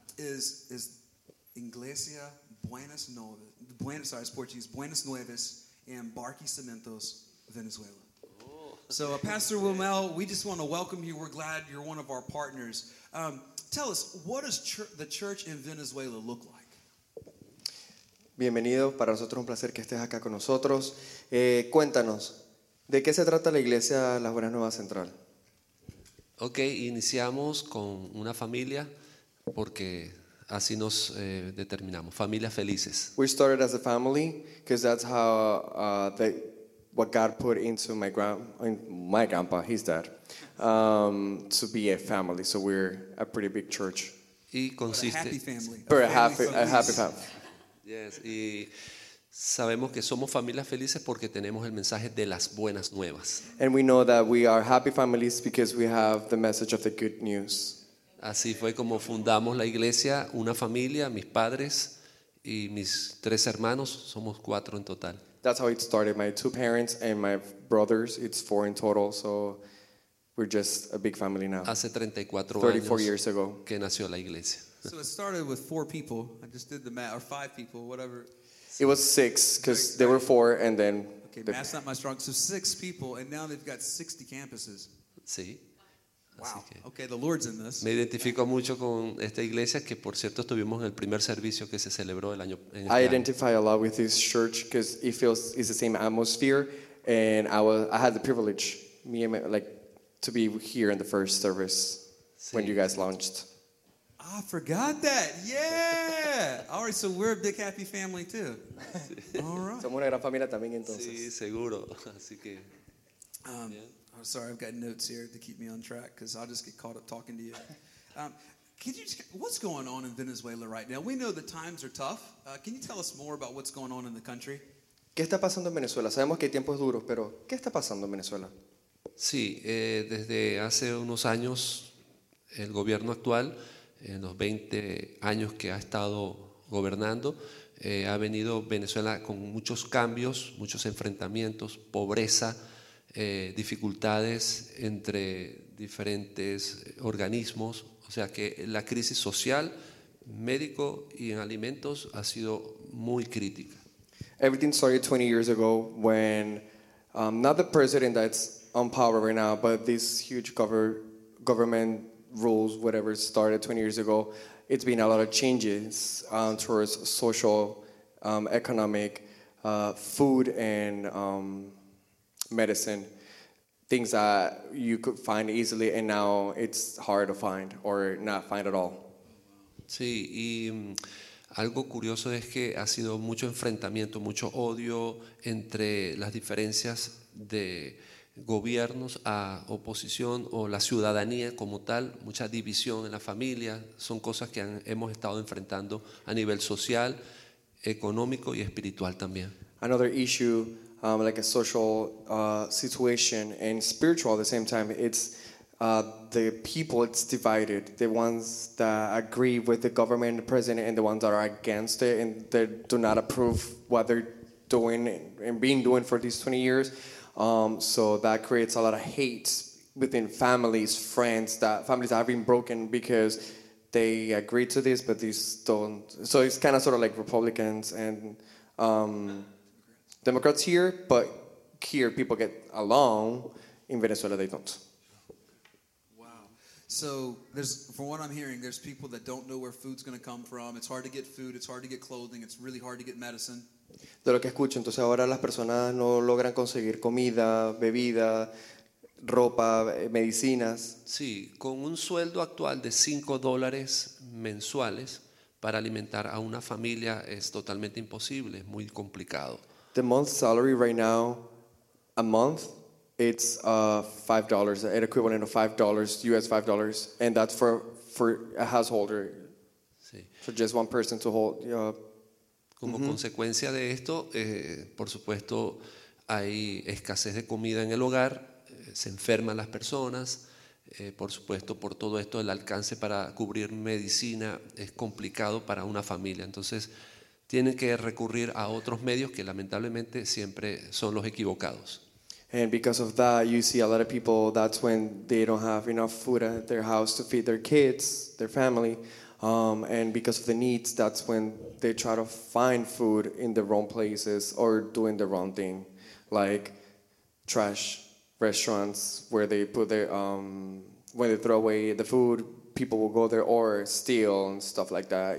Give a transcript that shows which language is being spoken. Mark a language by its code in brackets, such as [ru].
[en] Is Iglesia Buenas Nuevas. It's Portuguese. Buenas Nuevas in Barquisimetos, Venezuela. So, Pastor Wilmel, we just want to welcome you. We're glad you're one of our partners. Tell us, what does the church in Venezuela look like? [es] Bienvenido. Para nosotros es un placer que estés acá con nosotros. Cuéntanos, ¿de qué se trata la iglesia Las Buenas Nuevas Central? Ok, iniciamos con una familia porque así nos determinamos. Familias felices. [en] We started as a family because that's how what God put into my grandpa, his dad, to be a family. So we're a pretty big church. [es] Y consiste, [en] but a happy family. A happy family. Yes. [es] Y sabemos que somos familias felices porque tenemos el mensaje de las buenas nuevas. [en] And we know that we are happy families because we have the message of the good news. [es] Así fue como fundamos la iglesia, una familia, mis padres Y mis tres hermanos, somos cuatro en total. [en] That's how it started. My two parents and my brothers, it's four in total. So we're just a big family now. [es] Hace 34 [en] 34 years ago [es] que nació la iglesia. [en] So it started with four people. I just did the math, or five people, whatever. It was six because there were four, and then okay, math's not my strong. So six people, and now they've got 60 campuses. [es] Sí. [en] Wow. Okay, the Lord's in this. [es] Me identifico mucho con esta iglesia que, por cierto, estuvimos en el primer servicio que se celebró el año. [en] I identify a lot with this church because it feels it's the same atmosphere, and I had the privilege, me and my, like, to be here in the first service sí. when you guys launched. I forgot that. Yeah. All right. So we're a big happy family too. All right. [es] Somos una gran familia también entonces. Sí, seguro. Así que. [en] I'm sorry, I've got notes here to keep me on track because I'll just get caught up talking to you. Can you? What's going on in Venezuela right now? We know the times are tough. Can you tell us more about what's going on in the country? [es] ¿Qué está pasando en Venezuela? Sabemos que hay tiempos duros, pero ¿qué está pasando en Venezuela? Sí, desde hace unos años, el gobierno actual, en los 20 años que ha estado gobernando, ha venido Venezuela con muchos cambios, muchos enfrentamientos, pobreza, dificultades entre diferentes organismos, o sea que la crisis social, médico y en alimentos ha sido muy crítica. [en] Everything started 20 years ago when not the president that's on power right now, but this huge government rules whatever started 20 years ago. It's been a lot of changes towards social, economic, food and medicine, things that you could find easily, and now it's hard to find or not find at all. [es] Sí, y algo curioso es que ha sido mucho enfrentamiento, mucho odio entre las diferencias de gobiernos a oposición o la ciudadanía como tal, mucha división en la familia, son cosas que hemos estado enfrentando a nivel social, económico y espiritual también. [en] Another issue. Like a social situation and spiritual at the same time. It's the people, it's divided. The ones that agree with the government, the president, and the ones that are against it and they do not approve what they're doing and being doing for these 20 years. So that creates a lot of hate within families, friends, that families that have been broken because they agree to this, but these don't. So it's kind of sort of like Republicans and Democrats here, but here people get along. In Venezuela, they don't. Wow. So there's, from what I'm hearing, there's people that don't know where food's going to come from. It's hard to get food. It's hard to get clothing. It's really hard to get medicine. [es] De lo que escucho, entonces ahora las personas no logran conseguir comida, bebida, ropa, medicinas. Sí, con un sueldo actual de $5 mensuales para alimentar a una familia es totalmente imposible. Es muy complicado. [en] The month salary right now, a month, it's $5, an equivalent of $5, US $5, and that's for a householder, [es] sí. [en] for just one person to hold. [es] Como mm-hmm. consecuencia de esto, por supuesto, hay escasez de comida en el hogar, se enferman las personas, por supuesto, por todo esto, el alcance para cubrir medicina es complicado para una familia, entonces tienen que recurrir a otros medios que lamentablemente siempre son los equivocados. [en] And because of that, you see a lot of people, that's when they don't have enough food at their house to feed their kids, their family. And because of the needs, that's when they try to find food in the wrong places or doing the wrong thing, like trash restaurants where they put their, when they throw away the food, people will go there or steal and stuff like that.